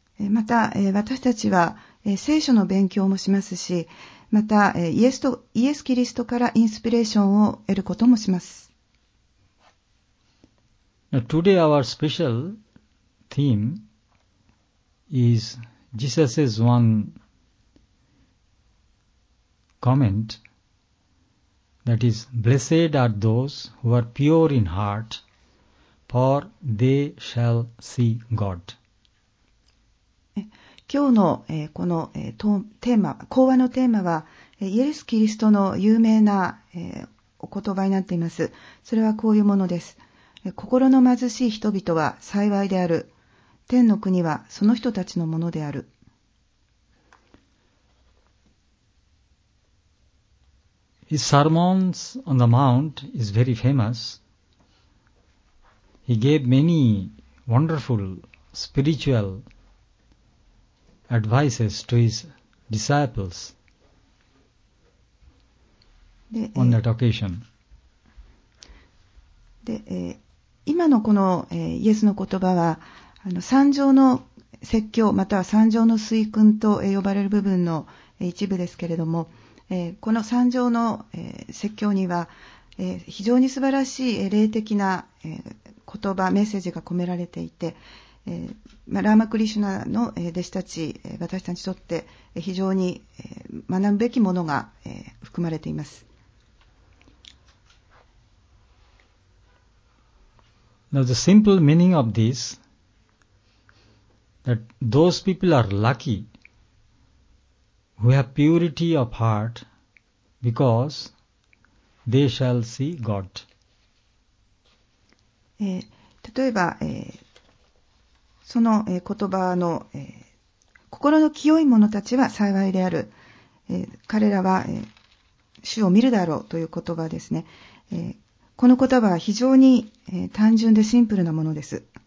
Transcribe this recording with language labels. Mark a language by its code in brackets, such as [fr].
[ja] また、私たちは聖書の勉強もしますし、またイエスキリストからインスピレーションを得ることもします。 [en] Now, today our special theme isJesus's one comment that is, blessed are those who are pure in heart, for they shall see God. [ja] 今日の、この、テーマ、講話のテーマは、イエス・キリストの有名な、お言葉になっています。それはこういうものです。心の貧しい人々は幸いである。天の国はその人たちのものである。 [en] His sermons on the mount is very famous. He gave many wonderful spiritual advices to his disciples on that occasion. [ja] で、今のこの、イエスの言葉は、山上の説教または山上の水訓と呼ばれる部分の一部ですけれども、この山上の説教には非常に素晴らしい霊的な言葉メッセージが込められていて、ラーマクリシュナの弟子たち私たちにとって非常に学ぶべきものが含まれています。 [en] Now the simple meaning of this that those people are lucky who have purity of heart because they shall see God. [ja] 例えば、その、言葉の、心の清い者たちは幸いである、彼らは、主を見るだろうという言葉ですね、この言葉は非常に、単純でシンプルなものです。